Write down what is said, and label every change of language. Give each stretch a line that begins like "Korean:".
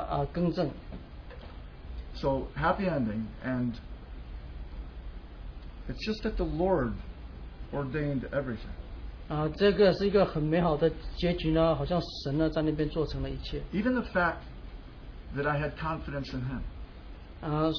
Chinese: 他呢，实际上他是要来为前面的这个员工呢所犯的错误在那边更正。
English: So happy ending, and it's just that the Lord ordained everything.
Chinese: 这个是一个很美好的结局呢，好像神呢在那边做成了一切。
English: Even the fact that I had confidence in Him.